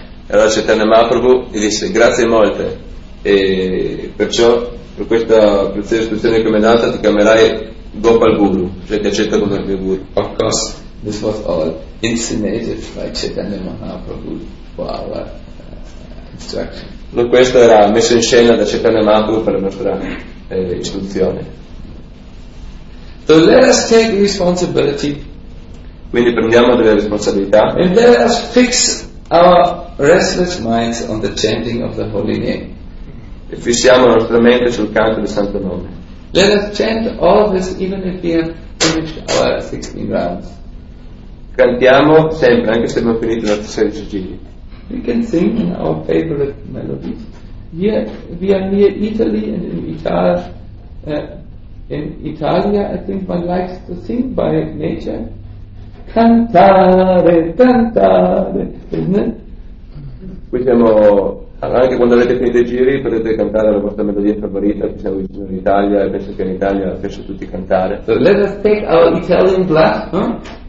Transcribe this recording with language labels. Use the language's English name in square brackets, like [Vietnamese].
[Italian] Allora Chaitanya Mahaprabhu gli disse grazie molte e perciò per questa preziosa istruzione che mi hai dato ti chiamerai Gopal Guru, cioè ti accetto come mio guru. [English] Of course, this was all insinuated by Chaitanya Mahaprabhu for our instruction. [Italian] No, questo era messo in scena da Chaitanya Mahaprabhu per la nostra istruzione. [English] So let us take responsibility. [Italian] Quindi prendiamo delle responsabilità. [English] And let us fix our restless minds on the chanting of the holy name. [Italian] E fissiamo la nostra mente sul canto del Santo Nome. [English] Let us chant all this even if we have finished our 16 rounds. [Italian] cantiamo sempre, anche se abbiamo finito la stessa giugni. [English] We can sing our favorite melodies. We are near Italy and in Italia, I think one likes to sing by nature. [Italian] Cantare, cantare, [English] isn't it? [Italian] Qui siamo, anche quando avete finito i giri potete cantare la vostra melodia favorita, che siamo vicino in Italia e penso che in Italia spesso tutti cantare. [English] So let us take our Italian blood, huh?